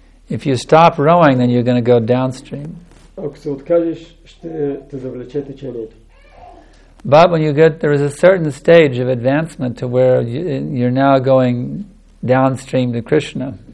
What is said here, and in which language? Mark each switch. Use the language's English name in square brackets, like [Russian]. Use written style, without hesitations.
[English] If you stop rowing, then you're going to go downstream. [Bulgarian] Ако се откажеш, ще те завлече течението. [English] But when you get there is a certain stage of advancement to where you're now going downstream to Krishna.